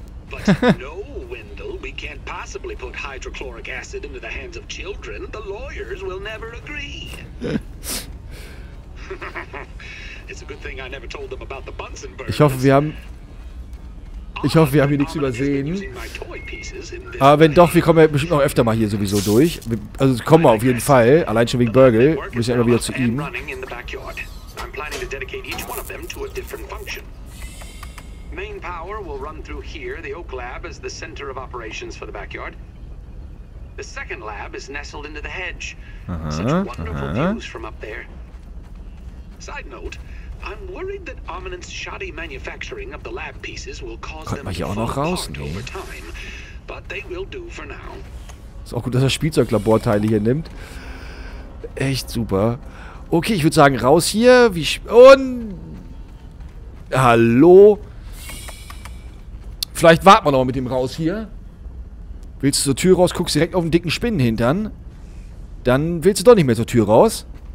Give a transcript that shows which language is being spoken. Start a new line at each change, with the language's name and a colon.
English: But no, Wendell, we can't possibly put hydrochloric acid into the hands of children. The lawyers will never agree. It's a good thing I never told them about the Bunsen burners.
German: Ich hoffe, wir haben hier nichts übersehen. Aber wenn doch, wir kommen ja bestimmt noch öfter mal hier sowieso durch. Also kommen wir auf jeden Fall. Allein schon wegen Burgle. Wir müssen ja immer wieder zu ihm.
English: I'm planning to dedicate each one of them to a different function. Main power will run through here, the Oak Lab, as the center of operations for the backyard. The second lab is nestled into the hedge. Such wonderful views from up there. Side note, I'm worried that Ominous shoddy manufacturing of the lab pieces will cause them to fall apart over time. But they will do for now.
German: Ist auch gut, dass er Spielzeuglaborteile hier nimmt. Echt super. Okay, ich würde sagen, raus hier. Hallo? Vielleicht warten wir noch mit dem raus hier. Willst du zur Tür raus, guckst direkt auf den dicken Spinnenhintern. Dann willst du doch nicht mehr zur Tür raus.